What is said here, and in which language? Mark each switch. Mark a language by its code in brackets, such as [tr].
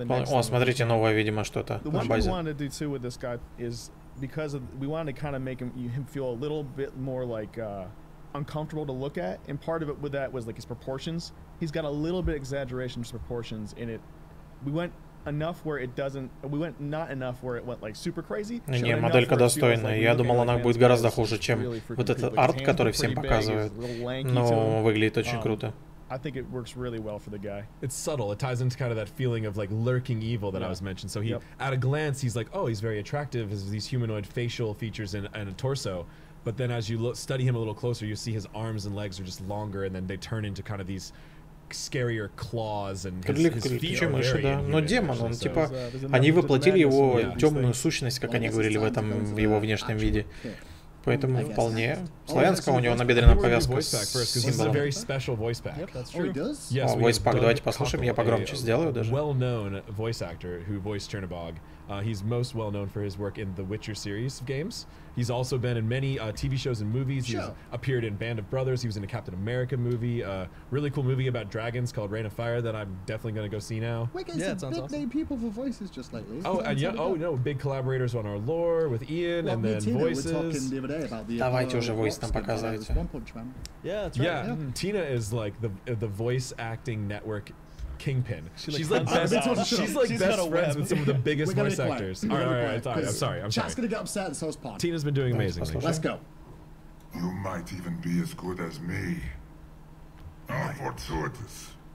[ru] О, смотрите, новое, видимо, что-то на базе. [en] What we wanted to do too with this guy is because we wanted to kind of make him feel a little bit more like uncomfortable to look at, and part of it with that was like his proportions. He's got a little bit exaggeration of proportions in it. We went enough where it doesn't. We went not enough where it went like super crazy. [ru] Не, моделька достойная. Я думал, она будет гораздо хуже, чем вот этот арт, который всем показывают. Но выглядит очень круто. [en] I think it works really well for the guy. It's subtle. It ties into kind of that feeling of like lurking evil that I was mentioned. So he, at a glance, he's like, oh, he's very attractive. Has these humanoid facial features and a torso. But then as you study him a little closer, you see his arms and legs are just longer, and then they turn into kind of these. Scarier claws and his feet. [ru] Но демон, он типа, они воплотили его темную сущность, как они говорили в этом его внешнем виде. Поэтому вполне. Славянского у него набедренная повязка с символом. Oh, voice pack. Давайте послушаем. Я погромче сделаю даже. [en] Well-known voice actor who voiced Chernabog. He's most well known for his work in the Witcher series of games. He's also been in many TV shows and movies. He's appeared in Band of Brothers. He was in a Captain America movie, a really cool movie about dragons called Reign of Fire that I'm definitely going to go see now. We get some big name people for voices just lately. Oh, and yeah, oh no, big collaborators on our lore with Ian and then voices. [ru] Давайте уже voice там показывайте. [en] Yeah, that's right. Yeah, Tina is like the voice acting network. Kingpin. She's like best friends with some of the biggest voice actors. All right, I'm sorry. Chat's gonna get upset, so is Pod. Tina's been doing amazing. Let's go. You might even be as good as me. How fortuitous.